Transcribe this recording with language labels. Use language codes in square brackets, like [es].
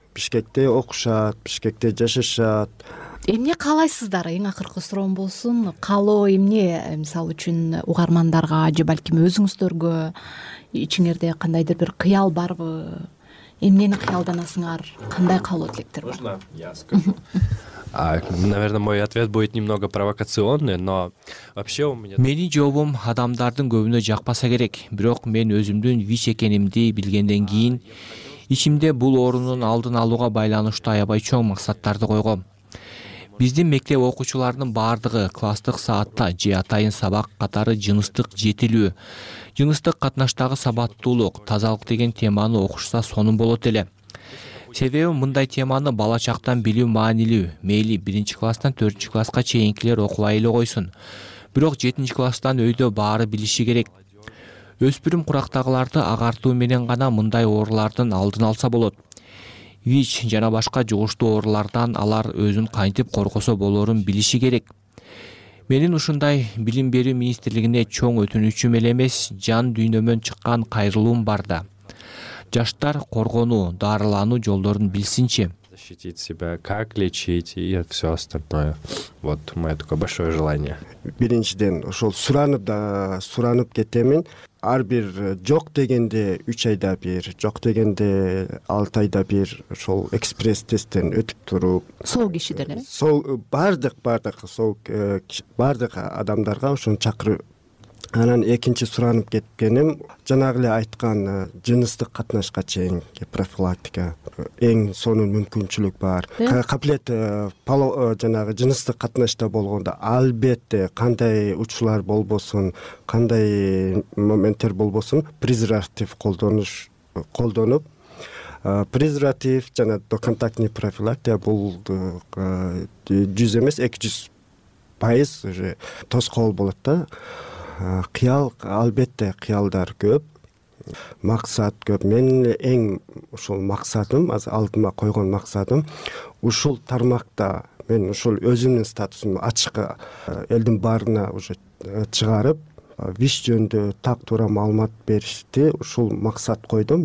[ky] Бишкекте окушат, Бишкекте жашашат. Эмне каалайсыздар? Эң акыркы суроом болсун. Каалоо эмне? Мисалы үчүн угармандарга же балким өзүңүздөргө ичиңерде кандайдыр бир кыял барбы? Эмнени кыялданасыңар? Кандай каалоо тилектер бар? [ru] Наверное, мой ответ будет немного провокационный, но вообще у меня... [ky] Мени жообум адамдардын көбүнө жакпаса керек, бирок мен өзүмдүн ВИЧ экенимди билгенден кийин ичимде бул оорунун алдын алууга байланыштуу аябай чоң максаттарды койгом. Биздин мектеп окуучуларынын баардыгы класстык саатта же атайын сабак катары жыныстык жетилүү, жыныстык катнаштагы сабаттуулук, тазалык деген теманы окушса сонун болот эле. Себеби мындай теманы бала чактан билүү маанилүү, мейли 1-класстан 4-класска чейинкилер окубай эле койсун. Бирок 7-класстан өйдө баары билиши керек. Өспүрүм курактагыларды агартуу менен гана мындай оорулардын алдын алса болот. ВИЧ жана башка жугуштуу оорулардан алар өзүн кантип коргосо болорун билиши керек. Менин ушундай билим берүү министрлигине чоң өтүнүчүм эле эмес, жан дүйнөмөн чыккан кайрылуум бар да. жаштар коргонуу, дарылануу жолдорун билсинчи. [ru] Защитить себя, как лечить и все остальное. Вот мое такое большое желание. [ky] Биринчиден ошол суранып да суранып кетемин. Ар бир жок дегенде 3 айда бир, жок дегенде 6 айда бир ошол экспресс тесттен өтүп туруп. Сол киши деле. Сол бардык сол бардык адамдарга ошону чакырып анан экинчи суранып кеткеним жанагы эле айткан жыныстык катнашка чейинки профилактика эң сонун мүмкүнчүлүк бар. Каплет жанагы жыныстык катнашта болгондо албетте кандай учурлар болбосун, кандай моменттер болбосун презерватив колдонуп презерватив жана доконтактный профилактика бул 100 эмес 200% уже тоскоол болот да. Кыял албетте кыялдар көп, максат көп. Мен эң ушул максатым, алдыма койгон максатым ушул тармакта мен ушул өзүмдүн статусумду ачыкка элдин баарына уже чыгарып виш жөнүндө так туура маалымат беришти ушул максат койдум.